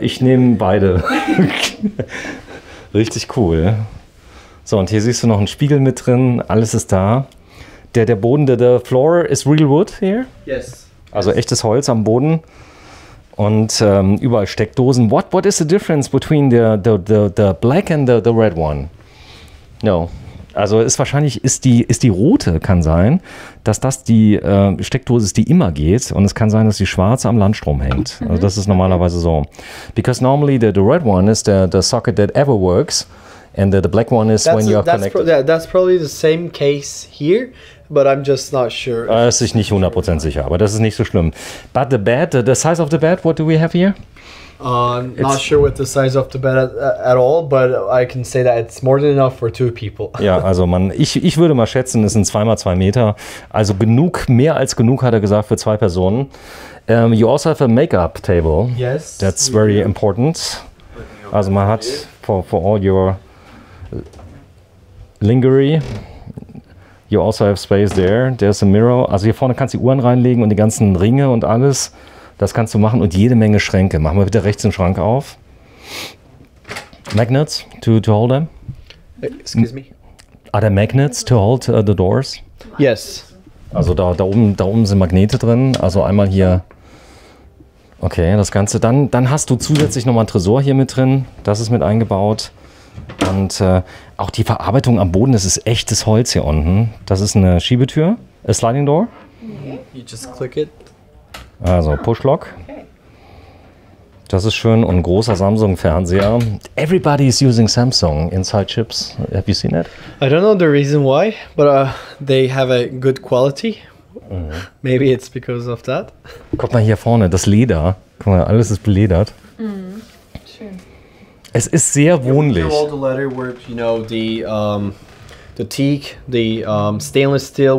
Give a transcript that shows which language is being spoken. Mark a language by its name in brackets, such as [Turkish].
[German] Ich nehme beide. Richtig cool. So, und hier siehst du noch einen Spiegel mit drin. Alles ist da. Der Boden, der [English] floor is real wood here? Yes. [German] Also echtes Holz am Boden und überall Steckdosen. [English] What is the difference between the black and the red one? No. [German] Also ist wahrscheinlich die rote, kann sein, dass das die Steckdose ist, die immer geht. Und es kann sein, dass die schwarze am Landstrom hängt. Also das ist normalerweise so. [English] Because normally the red one is the socket that ever works. And the black one is when you are connected. That's probably the same case here. But I'm just not sure. [German] Ist sich nicht 100% sicher, aber das ist nicht so schlimm. [English] But the bed, the size of the bed, what do we have here? Not sure with the size of the bed at all, but I can say that it's more than enough for two people. [German] Ja, also man, ich würde mal schätzen, es sind 2x2 Meter. Also genug, mehr als genug, hat er gesagt, für zwei Personen. [English] You also have a makeup table. Yes. That's very important. [German] Also man hat [English] for all your lingerie. You also have space there. There's a mirror. [German] Also hier vorne kannst du die Uhren reinlegen und die ganzen Ringe und alles. Das kannst du machen. Und jede Menge Schränke. Machen wir bitte rechts den Schrank auf. [English] Magnets to hold them? Excuse me? Are there magnets to hold the doors? Yes. [German] Also da oben sind Magnete drin. Also einmal hier. Okay, das Ganze. Dann hast du zusätzlich nochmal einen Tresor hier mit drin. Das ist mit eingebaut. Und auch die Verarbeitung am Boden, das ist echtes Holz hier unten. Das ist eine Schiebetür, [English] a sliding door. You just click it. [German] Also Pushlock. Das ist schön und ein großer Samsung-Fernseher. [English] Everybody is using Samsung inside ships. Have you seen it? I don't know the reason why, but they have a good quality. Maybe it's because of that. [German] Guck mal hier vorne, das Leder. Guck mal, alles ist beledert. Es ist sehr wohnlich. [English] We do all the leather work, you know, the teak, the stainless steel.